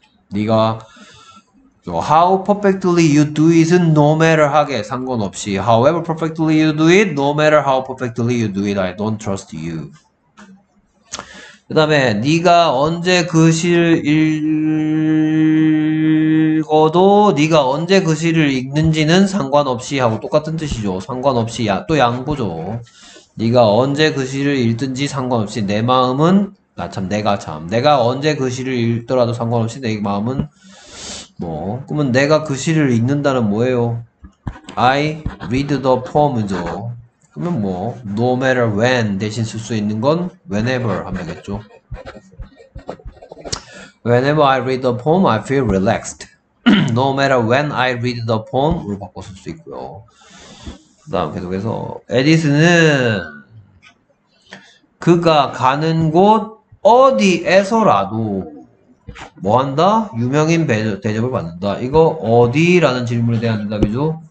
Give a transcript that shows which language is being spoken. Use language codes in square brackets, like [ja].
[en] 네가 how perfectly you do it은 no matter [ko] 하게 상관없이 [en] however perfectly you do it, no matter how perfectly you do it, I don't trust you. [ko] 그 다음에 네가 언제 글씨를 읽어도 네가 언제 글씨를 읽는지는 상관없이 하고 똑같은 뜻이죠. 상관없이 야, 또 양보죠. 네가 언제 글씨를 읽든지 상관없이 내 마음은 나참 내가 참 내가 언제 글씨를 읽더라도 상관없이 내 마음은 뭐 그러면 내가 글씨를 읽는다는 뭐예요? [en] I read the poem [ko] 죠. 그러면 뭐, [en] no matter when [ko] 대신 쓸수 있는 건 whenever 하면 되겠죠. [en] Whenever I read the poem, I feel relaxed. No matter when I read the poem으로 [ko] 바꿔 쓸수 있고요. 그다음 계속해서 에디슨은 그가 가는 곳 어디에서라도 뭐 한다? 유명인 대접을 받는다. 이거 어디라는 질문에 대한 대답이죠.